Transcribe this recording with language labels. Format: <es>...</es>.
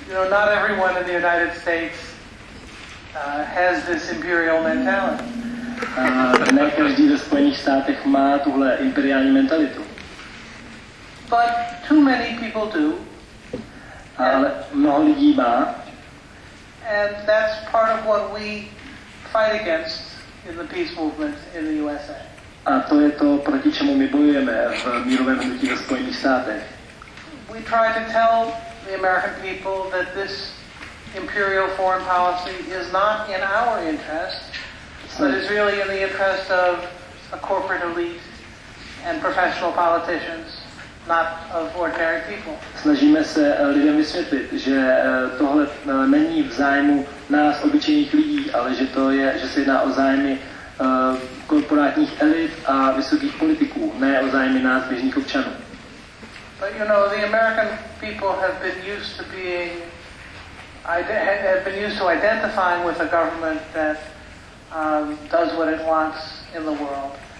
<en>Not everyone in the United States has this imperial mentality.</en> <cs>Ne každý ve Spojených státech má tuhle imperiální mentalitu.</cs> <en>But too many people do.</en> <cs>Ale mnoho lidí má.</cs> <en>And that's part of what we fight against in the peace movement in the USA.</en> <cs>A to je to, proti čemu my bojujeme v mírovém hnutí ve Spojených státech.</cs> <en>We try to tell the American people that this imperial foreign policy is not in our interest, but is really in the interest of a corporate elite and professional politicians, not of ordinary people.</en> <cs>Snažíme se lidem vysvětlit, že tohle není v zájmu nás, obyčejných lidí, ale že to je, že se jedná o zájmy korporátních elit a vysokých politiků, ne o zájmy nás, běžných občanů.</cs> <en>But you know, the American people have been used to being, have been used to identifying with a government that does what it wants in the world.</en>